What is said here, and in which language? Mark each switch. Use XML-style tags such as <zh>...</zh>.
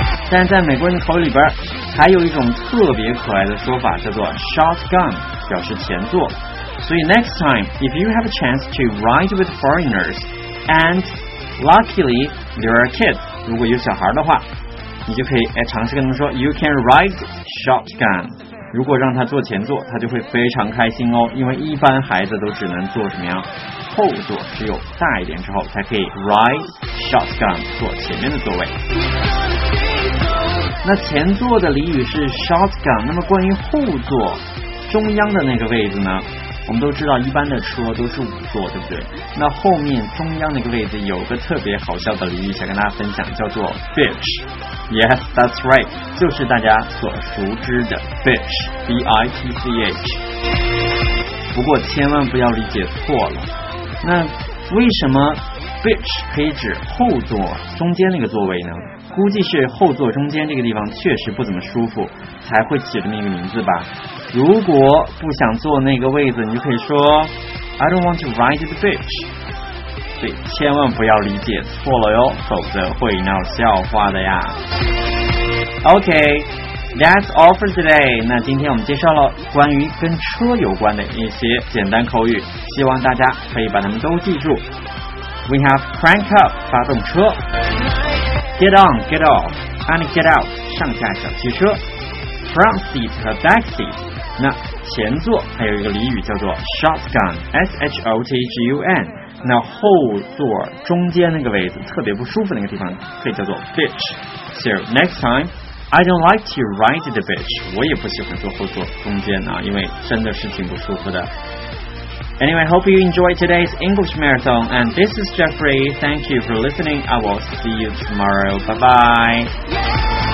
<zh>但在美国人的口语里边还有一种特别可爱的说法，叫做 shotgun, 表示前座。</zh> <en>所以 next time, if you have a chance to ride with foreigners andLuckily, there are kids.</en> <zh>如果有小孩的话，你就可以尝试跟他们说</zh> <en>You can ride shotgun.</en> <zh>如果让他坐前座，他就会非常开心哦，因为一般孩子都只能坐什么呀？后座，只有大一点之后才可以</zh> <en>ride shotgun,</en> <zh>坐前面的座位。那前座的俚语是 shotgun, 那么关于后座中央的那个位置呢，我们都知道一般的车都是五座，对不对？那后面中央那个位置有个特别好笑的俚语想跟大家分享，叫做 bitch.</zh> <en>Yes, that's right,</en> <zh>就是大家所熟知的</zh> <en>bitch, B-I-T-C-H.</en> <zh>不过千万不要理解错了，那为什么 bitch 可以指后座中间那个座位呢？估计是后座中间这个地方确实不怎么舒服，才会起的那个名字吧。如果不想坐那个位子，你就可以说</zh> <en>I don't want to ride the bitch.</en> <zh>对，千万不要理解错了哟，否则会闹笑话的呀。</zh> <en>OK, that's all for today.</en> <zh>那今天我们介绍了关于跟车有关的一些简单口语，希望大家可以把它们都记住。</zh> <en>We have crank up,</en> <zh>发动车。</zh> <en>Get on, get off, and get out,</en> <zh>上下小汽车。 Front seat 和 back seat, 那前座还有一个俚语叫做 shotgun, S-H-O-T-G-U-N, 那后座中间那个位置特别不舒服那个地方可以叫做 bitch.</zh> <en>So next time, I don't like to ride the bitch,</en> <zh>我也不喜欢坐后座中间啊，因为真的是挺不舒服的。</zh> <en>Anyway, hope you enjoyed today's English Marathon. And this is Jeffrey. Thank you for listening. I will see you tomorrow. Bye-bye.</en>